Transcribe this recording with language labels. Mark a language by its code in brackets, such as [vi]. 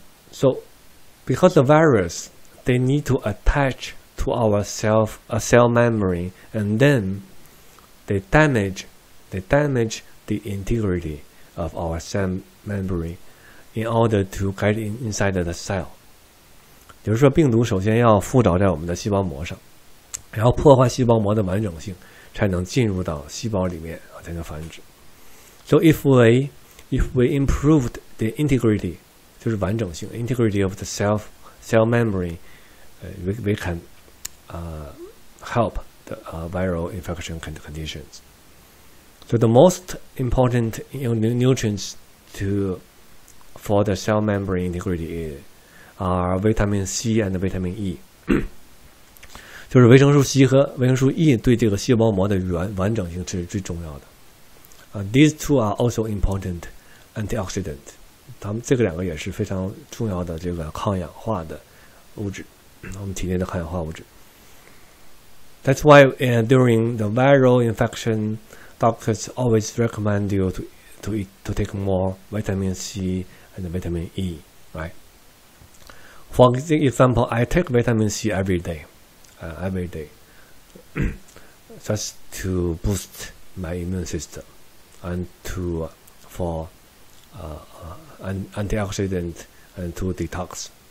[en] So, because the virus, they need to attach to our self, a cell membrane, and then they damage the integrity of our cell membrane in order to get inside the cell. [zh] 就是说病毒首先要附着在我们的细胞膜上。然后破坏细胞膜的完整性，才能进入到细胞里面，才能繁殖。 [en] So if we improved the integrity, [zh] 就是完整性 [en] integrity of the cell membrane, we can help the viral infection conditions. So the most important nutrients for the cell membrane integrity are vitamin C and vitamin E. [zh] 就是维生素 C 和维生素 E 对这个细胞膜的完整性是最重要的。 [en] These two are also important antioxidant. [zh] 它们这个两个也是非常重要的这个抗氧化的物质，我们体内的抗氧化物质。 [en] That's why during the viral infection, doctors always recommend you to take more vitamin C and vitamin E, right? For example, I take vitamin C every day. Every day, just to boost my immune system, and to for an antioxidant and to detox.